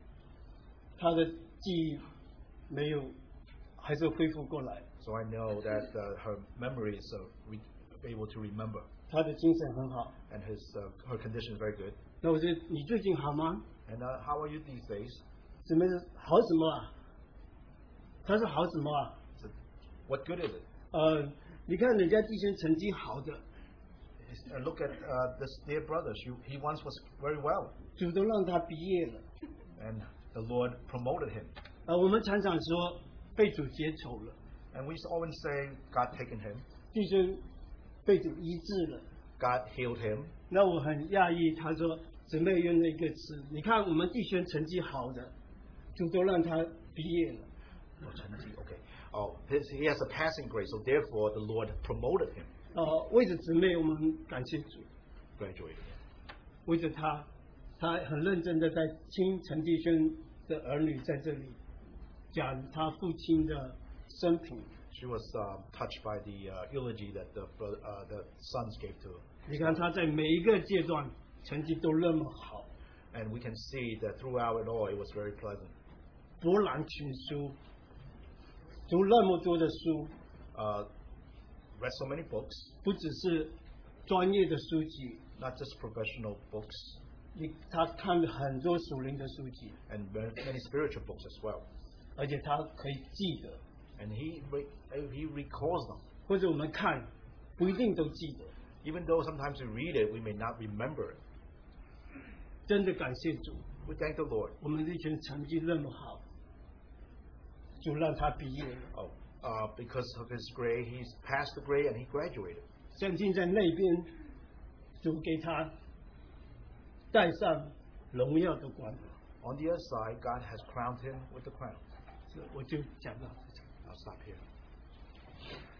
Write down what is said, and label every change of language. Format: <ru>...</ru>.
<zh>那我就知道她的记忆, 没有，还是恢复过来。</zh> <en>So I know that her memory is able to remember.</en> <zh>她的精神很好。</zh> <en>And her condition is very good.</en> <zh>那我说你最近好吗？</zh> <en>And how are you these days?</en> <zh>姊妹说好什么啊？她说好什么啊？</zh> <en>So, what good is it?</en> <zh>你看人家弟兄成绩好的。</zh> <en>Look at this dear brother. He once was very well.</en> <zh>主都让他毕业了。</zh> <en>And the Lord promoted him.</en> <zh>我们常常说,</zh> <en>and we always say God taken him.</en> <zh>弟兄被主医治了,</zh> <en>God healed him.</en> <zh>那我很讶异他说, 姊妹用了一个词, 你看我们弟兄成绩好的, 主都让他毕业了。</zh> <en>哦, 成绩, okay. Oh, he has a passing grade, so therefore the Lord promoted him.</en> <zh>为着姊妹我们感谢主。</zh> <en>Graduated.</en> <zh>为着他, 他很认真地在亲陈弟兄的儿女在这里。讲他父亲的生平.</zh> <en>She was touched by the eulogy that the brother, the sons gave to her.</en> <zh>你看他在每一个阶段成绩都那么好.</zh> <en>And we can see that throughout it all, it was very pleasant.</en> <zh>博览群书, 读那么多的书,</zh> <en>read so many books.</en> <zh>不只是专业的书籍,</zh> <en>not just professional books.</en> <zh>他看很多属灵的书籍,</zh> <en>and many spiritual books as well.</en> <zh>而且他可以记得,</zh> <en>and he recalls them.</en> <zh>或者我们看,</zh> <en>even though sometimes we read it, we may not remember it.</en> <zh>真的感谢主,</zh> <en>we thank the Lord.</en> <zh>我们这群成绩那么好, 就让他毕业了,</zh> <en>because of his grade, he's passed the grade and he graduated.</en> <zh>圣经在那边, 主给他戴上荣耀的冠,</zh> <en>on the other side, God has crowned him with the crown.</en> <zh>我就讲到,</zh> <en>I'll stop here.</en>